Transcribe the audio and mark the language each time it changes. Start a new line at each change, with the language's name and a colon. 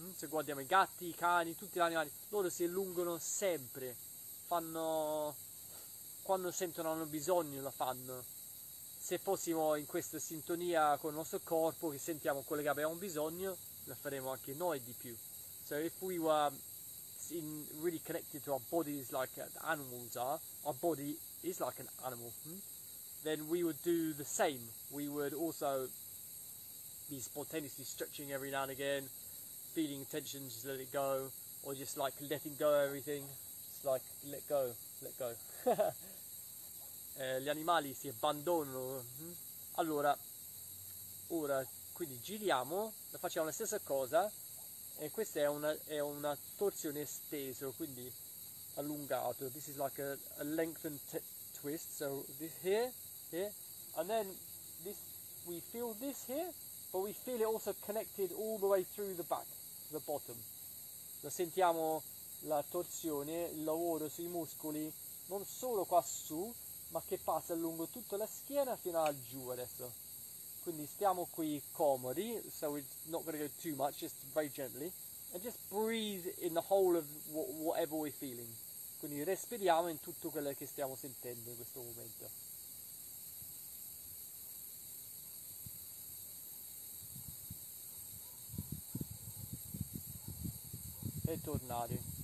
Italian: Se guardiamo i gatti, i cani, tutti gli animali, loro si allungano sempre. Fanno, quando sentono hanno bisogno, lo fanno. Se fossimo in questa sintonia con il nostro corpo, che sentiamo quello che abbiamo bisogno, lo faremo anche noi di più.
English: So if we were in really connected to our bodies like the animals are, our body is like an animal, then we would do the same. We would also be spontaneously stretching every now and again, feeling tension, just let it go, or just like letting go everything. It's like, let go, let go.
Italian: gli animali si abbandonano. Allora, ora, quindi giriamo, facciamo la stessa cosa, e questa è una torsione esteso, quindi allungato.
English: This is like a lengthened twist, so this here, here, and then this, we feel this here, but we feel it also connected all the way through the back, the bottom.
Italian: La sentiamo la torsione, il lavoro sui muscoli, non solo qua su, ma che passa lungo tutta la schiena fino a giù adesso. Quindi stiamo qui comodi,
English: so it's not going to go too much, just very gently. And just breathe in the whole of whatever we're feeling.
Italian: Quindi respiriamo in tutto quello che stiamo sentendo in questo momento. E tornare.